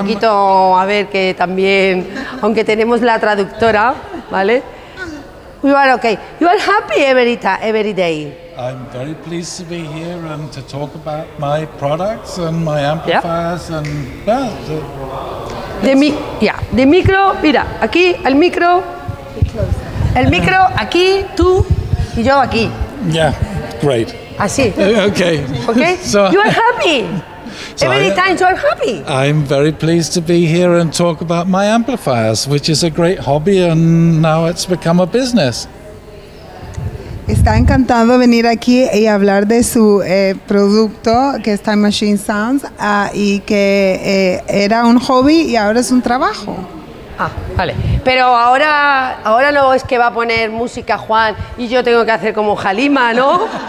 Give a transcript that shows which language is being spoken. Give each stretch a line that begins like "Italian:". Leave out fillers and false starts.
Spanish: Un poquito, a ver, que también, aunque tenemos la traductora, ¿vale?
English: You are okay. You are happy every day. I'm very pleased to be here and to talk about my products and my amplifiers, yeah, and well, the micro,
Spanish: mira, aquí el micro. El micro aquí, tú y yo aquí.
English: Yeah, great.
Spanish: Así.
English: Okay. Okay. So, you are happy. So every time you are happy. I'm very pleased to be here and talk about my amplifiers, which is a great hobby and now it's become a business.
Spanish: Está encantado venir aquí y hablar de su producto, que es Time Machine Sounds, y que era un hobby y ahora es un trabajo. Ah, vale. Pero ahora no es que va a poner música Juan y yo tengo que hacer como Halima, ¿no?